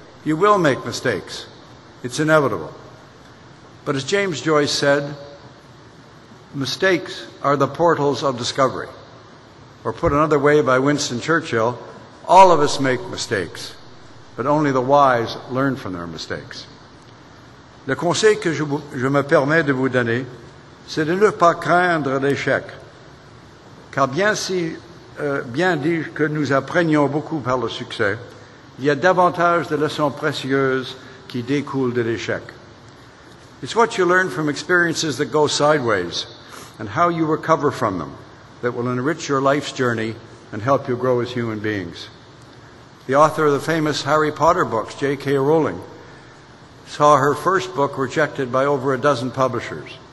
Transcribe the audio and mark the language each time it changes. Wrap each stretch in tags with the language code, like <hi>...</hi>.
<en>You will make mistakes. It's inevitable. But as James Joyce said, mistakes are the portals of discovery. Or put another way by Winston Churchill, all of us make mistakes, but only the wise learn from their mistakes.</en> <fr>Le conseil que je me permets de vous donner, c'est de ne pas craindre l'échec. Car bien si bien dit que nous apprenions beaucoup par le succès, il y a davantage de leçons précieuses qui découlent de l'échec.</fr> <en>It's what you learn from experiences that go sideways and how you recover from them that will enrich your life's journey and help you grow as human beings. The author of the famous Harry Potter books, J.K. Rowling, saw her first book rejected by over a dozen publishers.</en>